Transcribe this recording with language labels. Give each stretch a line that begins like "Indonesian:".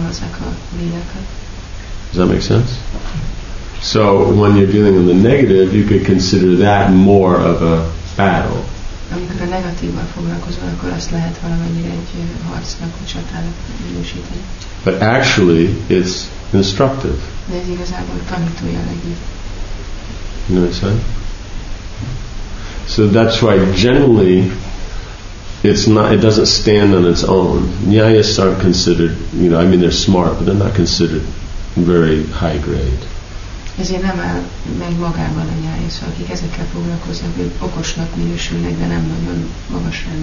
English: Does that make sense? So when you're dealing with the negative, you could consider that more of a battle.
Hungarian: Amikor a negatívval foglalkozol, akkor azt lehet valamennyire egy harcnak, egy csatának minősíteni.
English: But actually, it's instructive.
Hungarian: De ez igazából tanító jellegű.
English: You know what I'm saying? So that's why generally, it doesn't stand on its own. Nyayas aren't considered, you know, I mean they're smart, but they're not considered very high grade.
Hungarian: Ezért nem áll meg magában a nyaya. szóval akik ezekkel foglalkoznak, hogy okosnak minősülnek, de nem nagyon magas